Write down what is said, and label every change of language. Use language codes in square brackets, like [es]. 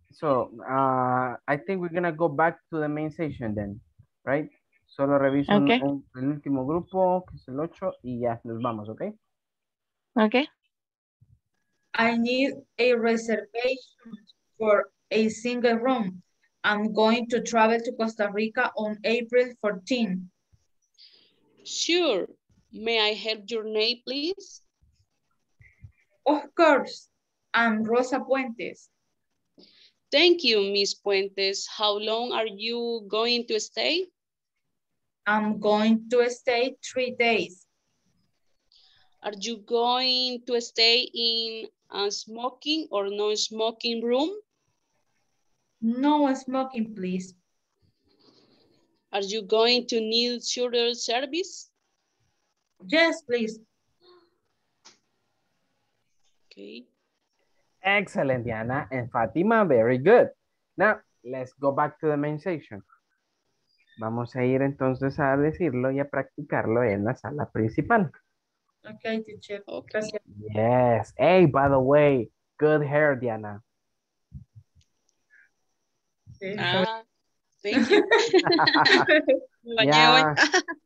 [en] So I think we're going to go back to the main session then, right? [es] Solo reviso el último grupo, que es el 8, y ya nos vamos, okay? [en] Okay. I need a reservation for a single room. I'm going to travel to Costa Rica on April 14th. Sure. May I have your name, please? Of course. I'm Rosa Puentes. Thank you, Ms. Puentes. How long are you going to stay? I'm going to stay 3 days. Are you going to stay in a smoking or no smoking room? No smoking, please. Are you going to need shuttle service? Yes, please. Okay. Excellent, Diana and Fatima. Very good. Now, let's go back to the main session. [es] Vamos a ir entonces a decirlo y a practicarlo en la sala principal. [en] Okay, teacher. Okay. Yes. Hey, by the way, good hair, Diana. Thank you.